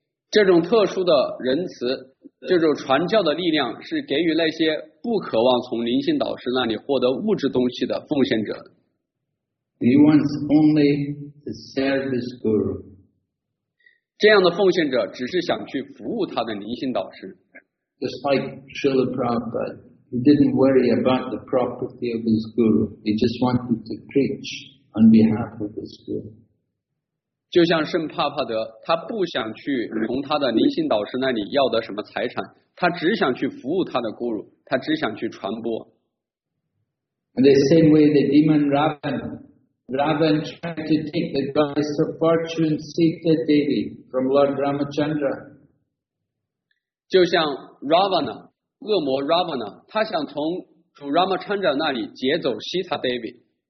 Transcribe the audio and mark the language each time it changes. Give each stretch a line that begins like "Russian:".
Chinese: 这种特殊的仁慈，这种传教的力量，是给予那些不渴望从灵性导师那里获得物质东西的奉献者。
English: He wants only to serve his guru.
Chinese: 这样的奉献者只是想去服务他的灵性导师。
English: Just like Srila Prabhupada, he didn't worry about the property of his guru. He just wanted to preach on behalf of his guru.
Chinese: 就像圣帕帕德，他不想去从他的灵性导师那里要得什么财产，他只想去服务他的 guru， 他只想去传播。
English: In the same way, the demon Ravan tried to take the goddess of fortune Sita Devi from Lord Ramachandra.
Chinese: 就像 Ravana, 恶魔 Ravana, 他想从主 Ramachandra 那里劫走 Sita Devi.